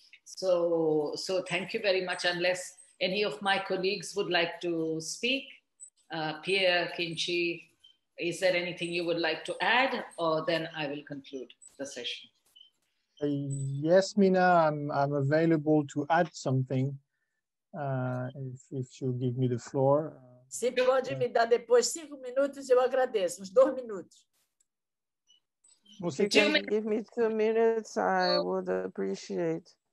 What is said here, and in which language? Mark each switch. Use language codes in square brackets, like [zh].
[en] So thank you very much. Unless any of my colleagues would like to speak, Pierre, Kinchi, is there anything you would like to add, or then I will conclude the session? Yes, Mina, I'm available to add something if you give me the floor. [pt] Se pode me dar depois 5 minutos, eu agradeço. Uns 2 minutos. [en] Você can you give me 2 minutes, I would appreciate.